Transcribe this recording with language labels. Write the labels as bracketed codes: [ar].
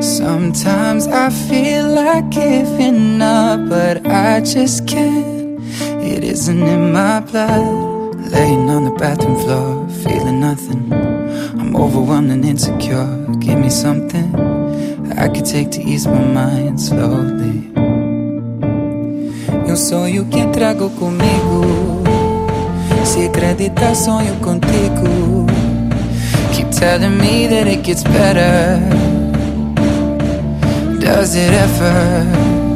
[en] Sometimes I feel like giving up, but I just can't. It isn't in my blood. Laying on the bathroom floor, feeling nothing. I'm overwhelmed and insecure. Give me something I could take to ease my mind slowly. [pt] Eu sonho que trago comigo. Se acreditar, sonho contigo. [en] Keep telling me that it gets better. Does it ever?